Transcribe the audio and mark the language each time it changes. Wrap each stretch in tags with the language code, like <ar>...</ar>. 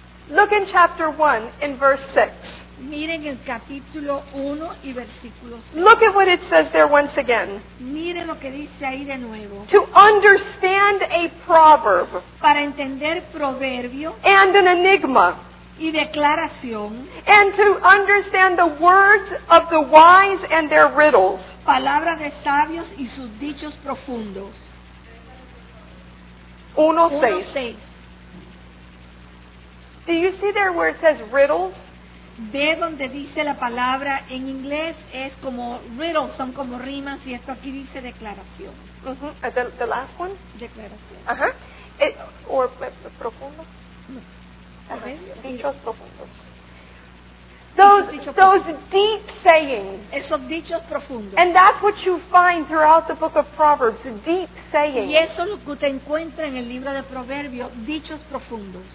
<en>Look in chapter 1 in verse 6.</en> <es>Miren el capítulo 1 y versículo 6.</es> <en>Look at what it says there once again.</en> <es>Miren lo que dice ahí de nuevo.</es> <en>To understand a proverb.</en> <es>Para entender proverbio.</es> <en>And an enigma.</en> <es>Y declaración.</es> <en>And to understand the words of the wise and their riddles.</en> <es>Palabras de sabios y sus dichos profundos.</es> <en>1:6. Do you see there where it says riddles?</en> <es>Ve donde dice la palabra en inglés es como riddle, son como rimas, y esto aquí dice declaración.</es> <en>Uh-huh. The last one?</en> <es>Declaración. Ajá. Uh-huh. O profundo. Dichos profundos.</es> <en>Those deep sayings.</en> <es>Esos dichos profundos.</es> <en>And that's what you find throughout the book of Proverbs, deep sayings.</en> <es>Y eso es lo que te encuentras en el libro de Proverbios, dichos profundos.</es>